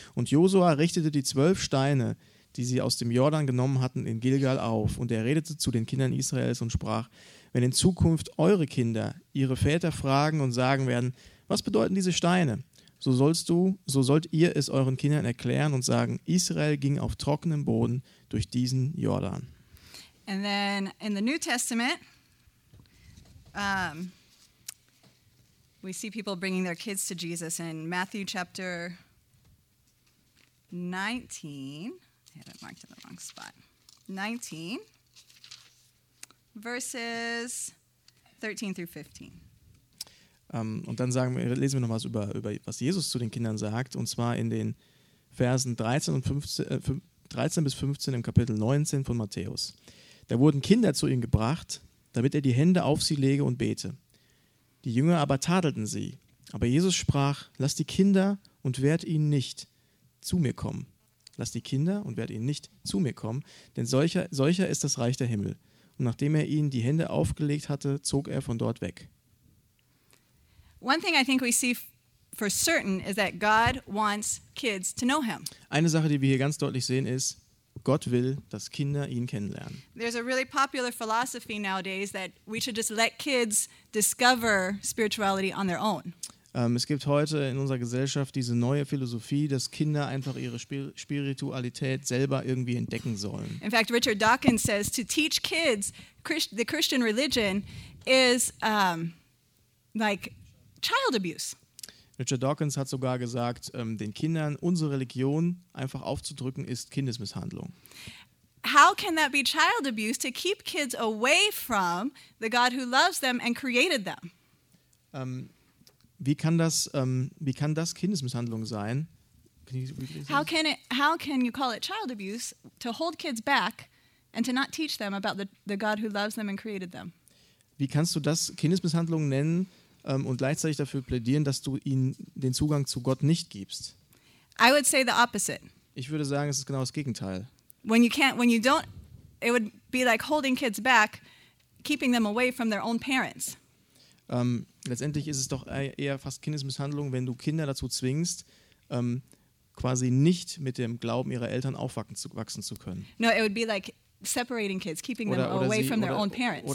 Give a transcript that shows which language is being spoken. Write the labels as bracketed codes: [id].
[de] Und Josua richtete die 12 Steine, die sie aus dem Jordan genommen hatten, in Gilgal auf. Und er redete zu den Kindern Israels und sprach: Wenn in Zukunft eure Kinder ihre Väter fragen und sagen werden, was bedeuten diese Steine? So sollt ihr es euren Kindern erklären und sagen, Israel ging auf trockenem Boden durch diesen Jordan. [en] And then in the New Testament, we see people bringing their kids to Jesus in Matthew chapter 19. I had it marked in the wrong spot. 19. Verses 13 through 15. [de] Und dann lesen wir noch was über was Jesus zu den Kindern sagt, und zwar in den Versen 13 bis 15 im Kapitel 19 von Matthäus. Da wurden Kinder zu ihm gebracht, damit er die Hände auf sie lege und bete. Die Jünger aber tadelten sie. Aber Jesus sprach, lasst die Kinder und wehrt ihnen nicht zu mir kommen. Lasst die Kinder und wehrt ihnen nicht zu mir kommen, denn solcher ist das Reich der Himmel. Und nachdem er ihnen die Hände aufgelegt hatte, zog er von dort weg. [en] One thing I think we see for certain is that God wants kids to know him. [de] Eine Sache, die wir hier ganz deutlich sehen, ist, Gott will, dass Kinder ihn kennenlernen. [en] There's a really popular philosophy nowadays that we should just let kids discover spirituality on their own. [de] Es gibt heute in unserer Gesellschaft diese neue Philosophie, dass Kinder einfach ihre Spiritualität selber irgendwie entdecken sollen. [en] In fact, Richard Dawkins says, to teach kids the Christian religion is like child abuse. [de] Richard Dawkins hat sogar gesagt, den Kindern unsere Religion einfach aufzudrücken, ist Kindesmisshandlung. [en] How can that be child abuse to keep kids away from the God who loves them and created them? [de] Wie kann das Kindesmisshandlung sein, [en] How can you call it child abuse to hold kids back and to not teach them about the God who loves them and created them? [de] Wie kannst du das Kindesmisshandlung nennen und gleichzeitig dafür plädieren, dass du ihnen den Zugang zu Gott nicht gibst? [en] I would say the opposite. [de] Ich würde sagen, es ist genau das Gegenteil. [en] When you don't, it would be like holding kids back, keeping them away from their own parents. [de] Letztendlich ist es doch eher fast Kindesmisshandlung, wenn du Kinder dazu zwingst, quasi nicht mit dem Glauben ihrer Eltern aufwachsen zu können. [en] No, it would be like separating kids, keeping them away from their own parents.